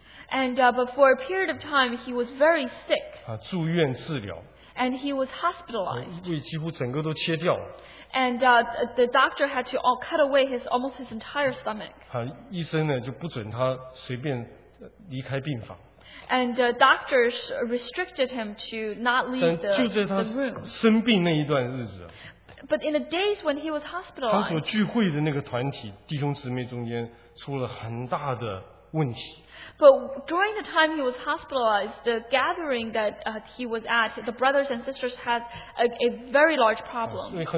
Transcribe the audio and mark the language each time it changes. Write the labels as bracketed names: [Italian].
[English] And but for a period of time, he was very sick. [Chinese] 住院治疗。 [English] And he was hospitalized. [Chinese] 胃几乎整个都切掉了。 [English] And the doctor had to all cut away almost his entire stomach. [Chinese] 医生呢就不准他随便离开病房。 [English] And doctors restricted him to not leave the room. [Chinese] 但就在他生病那一段日子。 [English] But in the days when he was hospitalized. [Chinese] 他所聚会的那个团体弟兄姊妹中间出了很大的。问题. [English] But during the time he was hospitalized, the gathering that he was at, the brothers and sisters had a very large problem.